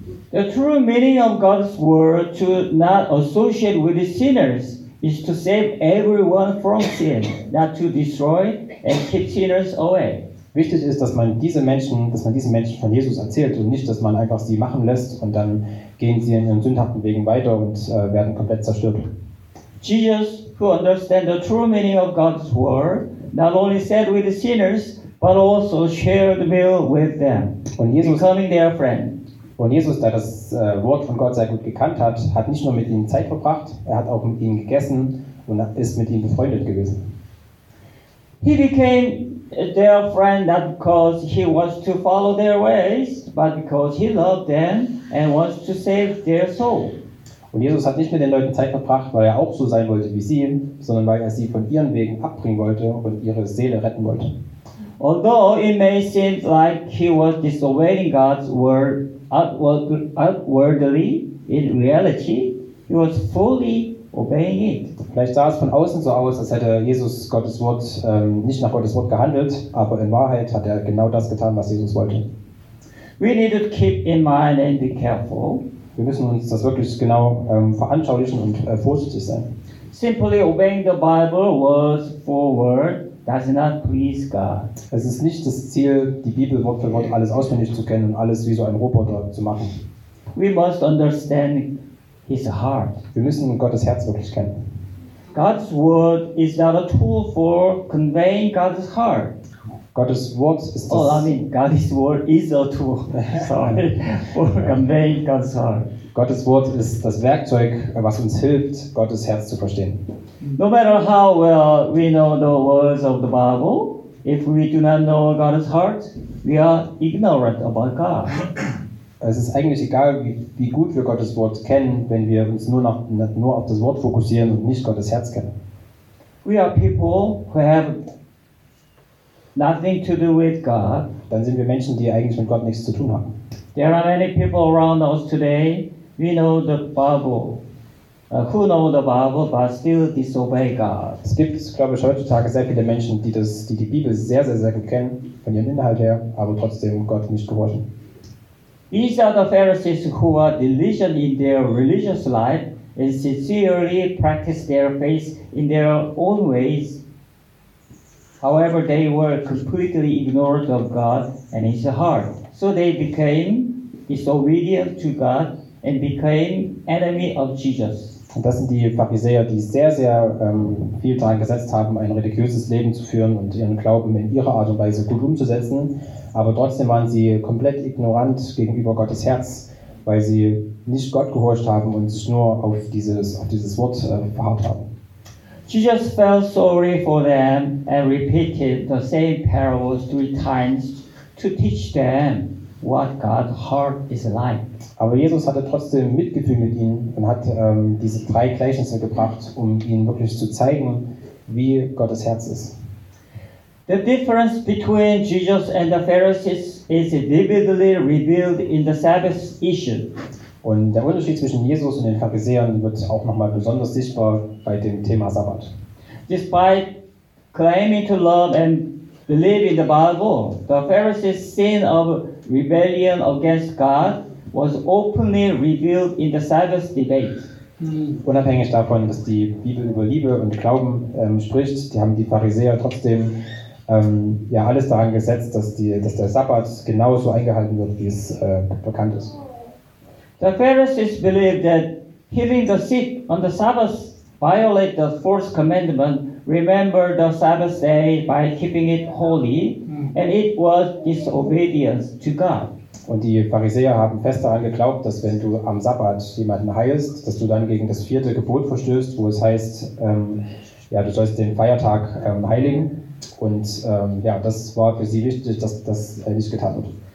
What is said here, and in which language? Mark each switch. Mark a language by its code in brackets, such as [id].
[en] The true meaning of God's word to not associate with the sinners is to save everyone from sin, not to destroy and keep sinners away. [de] Wichtig ist, dass man diesen Menschen von Jesus erzählt und nicht, dass man einfach sie machen lässt und dann gehen sie in ihren sündhaften Wegen weiter und werden komplett zerstört. [en] Jesus, who understands the true meaning of God's word, not only sat with the sinners, but also shared the meal with them, [de] und Jesus, [en] becoming their friend. [de] Und Jesus, da das Wort von Gott sehr gut gekannt hat, hat nicht nur mit ihnen Zeit verbracht, er hat auch mit ihnen gegessen und ist mit ihnen befreundet gewesen. [en] He became their friend not because he wants to follow their ways, but because he loved them and wants to save their soul. [de] Und Jesus hat nicht mit den Leuten Zeit verbracht, weil er auch so sein wollte wie sie, sondern weil er sie von ihren Wegen abbringen wollte und ihre Seele retten wollte. [en] Although it may seem like he was disobeying God's word outwardly, in reality, he was fully obeying it. [de] Vielleicht sah es von außen so aus, als hätte Jesus Gottes Wort nicht nach Gottes Wort gehandelt, aber in Wahrheit hat er genau das getan, was Jesus wollte. [en] We need to keep in mind and be careful. [de] Wir müssen uns das wirklich genau veranschaulichen und vorsichtig sein. [en] Simply obeying the Bible word for word does not please God. [de] Es ist nicht das Ziel, die Bibel Wort für Wort alles auswendig zu kennen und alles wie so ein Roboter zu machen. [en] We must understand His heart. [de] Wir müssen Gottes Herz wirklich kennen. [en] God's word is not a tool for conveying God's heart. [de] Gottes Wort ist das. [en] God's word is a tool. Sorry. For conveying God's heart. [de] Gottes Wort ist das Werkzeug, was uns hilft, Gottes Herz zu verstehen. [en] No matter how well we know the words of the Bible, if we do not know God's heart, we are ignorant about God. [de] Es ist eigentlich egal, wie gut wir Gottes Wort kennen, wenn wir uns nur auf das Wort fokussieren und nicht Gottes Herz kennen. [en] We are people who have nothing to do with God. [de] Dann sind wir Menschen, die eigentlich mit Gott nichts zu tun haben. [en] There are many people around us today. We know the Bible. Who know the Bible, but still disobey God. [de] Es gibt, glaube ich, heutzutage sehr viele Menschen, die die Bibel sehr, sehr, sehr gut kennen, von ihrem Inhalt her, aber trotzdem Gott nicht gehorchen. [en] These are the Pharisees who are diligent in their religious life and sincerely practice their faith in their own ways. However, they were completely ignorant of God and His heart. So they became disobedient to God and became enemy of Jesus. [de] Und das sind die Pharisäer, die sehr, sehr viel daran gesetzt haben, ein religiöses Leben zu führen und ihren Glauben in ihrer Art und Weise gut umzusetzen. Aber trotzdem waren sie komplett ignorant gegenüber Gottes Herz, weil sie nicht Gott gehorcht haben und sich nur auf dieses Wort verharrt haben. [en] Jesus felt sorry for them and repeated the same parables 3 times to teach them what God's heart is like. [de] Aber Jesus hatte trotzdem Mitgefühl mit ihnen und hat diese 3 Gleichnisse gebracht, um ihnen wirklich zu zeigen, wie Gottes Herz ist. [en] The difference between Jesus and the Pharisees is vividly revealed in the Sabbath issue. [de] Und der Unterschied zwischen Jesus und den Pharisäern wird auch nochmal besonders sichtbar bei dem Thema Sabbat. [en] Despite claiming to love and believe in the Bible, the Pharisees' sin of rebellion against God was openly revealed in the Sabbath debate. [de] Unabhängig davon, dass die Bibel über Liebe und Glauben spricht, die haben die Pharisäer trotzdem ja alles daran gesetzt, dass der Sabbat genauso eingehalten wird, wie es bekannt ist. [en] The Pharisees believed that healing the sick on the Sabbath violate the fourth commandment, remember the Sabbath day by keeping it holy, and it was disobedience to God. [de] Und die Pharisäer haben fest daran geglaubt, dass wenn du am Sabbat jemanden heilst, dass du dann gegen das vierte Gebot verstößt, wo es heißt, ja, du sollst den Feiertag heiligen. Und ja, das war für sie wichtig, dass das nicht getan wird.